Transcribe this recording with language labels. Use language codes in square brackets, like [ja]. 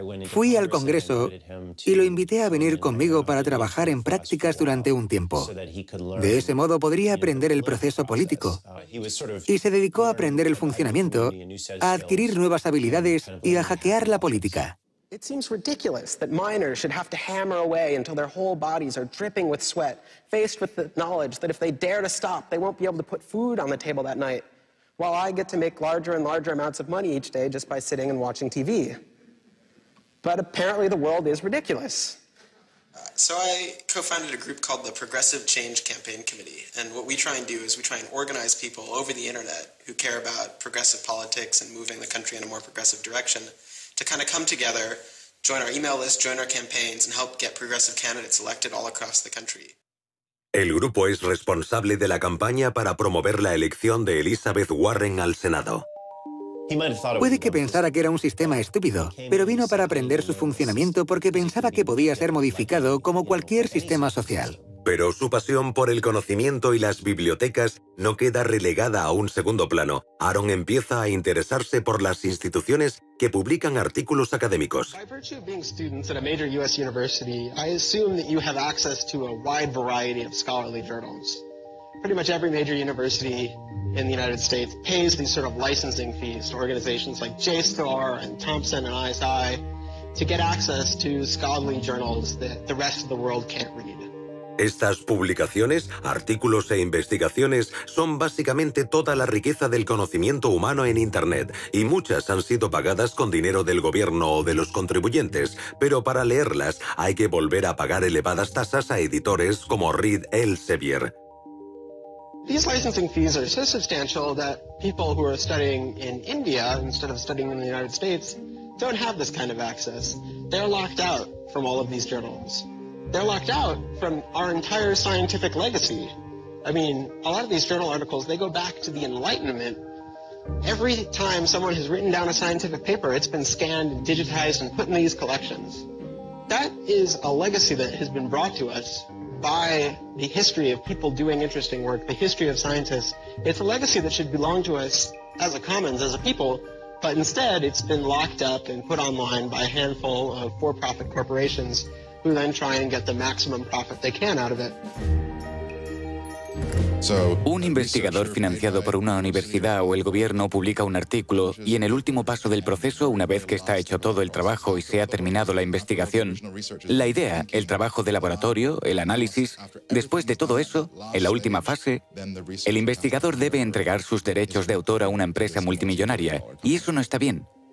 [es] Fui al Congreso y lo invité a venir conmigo para trabajar en prácticas durante un tiempo. De ese modo podría aprender el proceso político. Y se dedicó a aprender el funcionamiento, a adquirir nuevas habilidades y a hackear la política. [en] It seems ridiculous that miners should have to hammer away until their whole bodies are dripping with sweat, faced with the knowledge that if they dare to stop, they won't be able to put food on the table that night, while I get to make larger and larger amounts of money each day just by sitting and watching TV. But apparently the world is ridiculous. So I co-founded a group called the Progressive Change Campaign Committee, and what we try and do is we try and organize people over the internet who care about progressive politics and moving the country in a more progressive direction. To kind of come together, join our email list, join our campaigns, and help get progressive candidates elected all across the country. [es] El grupo es responsable de la campaña para promover la elección de Elizabeth Warren al Senado. Puede que pensara que era un sistema estúpido, pero vino para aprender su funcionamiento porque pensaba que podía ser modificado como cualquier sistema social. Pero su pasión por el conocimiento y las bibliotecas no queda relegada a un segundo plano. Aaron empieza a interesarse por las instituciones que publican artículos académicos. [en] By virtue of being students at a major U.S. university, I assume that you have access to a wide variety of scholarly journals. Pretty much every major university in the United States pays these sort of licensing fees to organizations like JSTOR and Thompson and ISI to get access to scholarly journals that the rest of the world can't read. [es] Estas publicaciones, artículos e investigaciones son básicamente toda la riqueza del conocimiento humano en Internet y muchas han sido pagadas con dinero del gobierno o de los contribuyentes, pero para leerlas hay que volver a pagar elevadas tasas a editores como Reed Elsevier. [en] These licensing fees are so substantial that people who are studying in India instead of studying in the United States don't have this kind of access. They're locked out from all of these journals. They're locked out from our entire scientific legacy. I mean, a lot of these journal articles, they go back to the Enlightenment. Every time someone has written down a scientific paper, it's been scanned and digitized and put in these collections. That is a legacy that has been brought to us by the history of people doing interesting work, the history of scientists. It's a legacy that should belong to us as a commons, as a people, but instead it's been locked up and put online by a handful of for-profit corporations who then try and get the maximum profit they can out of it. [es] Un investigador financiado por una universidad o el gobierno publica un artículo y en el último paso del proceso, una vez que está hecho todo el trabajo y se ha terminado la investigación, la idea, el trabajo de laboratorio, el análisis, después de todo eso, en la última fase, el investigador debe entregar sus derechos de autor a una empresa multimillonaria y eso no está bien.